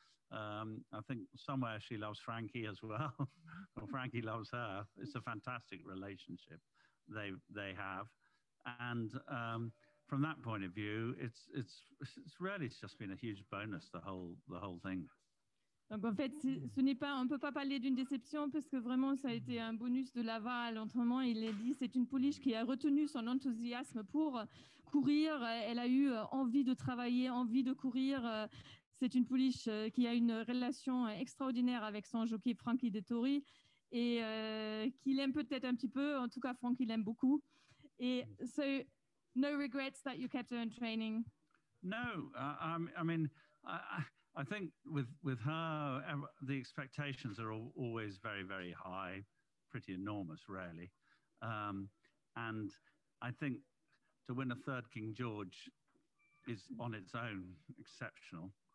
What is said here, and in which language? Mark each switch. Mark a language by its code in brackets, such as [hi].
[en] I think somewhere she loves Frankie as well. Well, Frankie loves her. It's a fantastic relationship they have. And from that point of view, it's really just been a huge bonus, the whole thing. [fr] Donc en fait, on ne peut pas parler d'une déception parce que vraiment, ça a été un bonus de Laval. Autrement, il est dit, c'est une pouliche qui a retenu son enthousiasme pour courir. Elle a eu envie de travailler, envie de courir. C'est une pouliche qui a une relation extraordinaire avec son jockey Franky Dettori et qu'il aime peut-être un petit peu. En tout cas, Franky l'aime beaucoup. [en] Et so, no regrets that you kept her in training? No, I think with her, the expectations are always very, very high, pretty enormous, really. And I think to win a third King George is on its own exceptional.